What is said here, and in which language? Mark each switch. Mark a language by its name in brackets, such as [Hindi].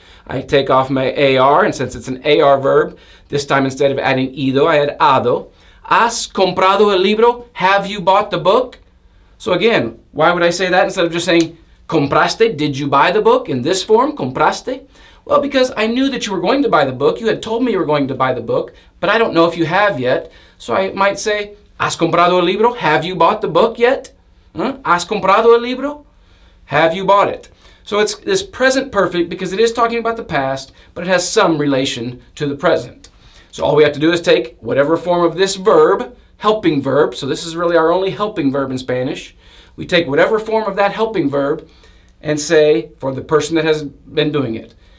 [English] I take off my AR, and since it's an AR verb, this time instead of adding ido, I add ado. [Spanish] ¿Has comprado el libro? [English] Have you bought the book? So again, why would I say that instead of just saying compraste? Did you buy the book in this form? Compraste? Well, because I knew that you were going to buy the book. You had told me you were going to buy the book, but I don't know if you have yet. So I might say, [Spanish] ¿has comprado el libro? [English] Have you bought the book yet? [Spanish] ¿Has comprado el libro? [English] Have you bought it? So it's this present perfect because it is talking about the past, but it has some relation to the present. So all we have to do is take whatever form of this verb, helping verb, so this is really our only helping verb in Spanish. We take whatever form of that helping verb and say for the person that has been doing it.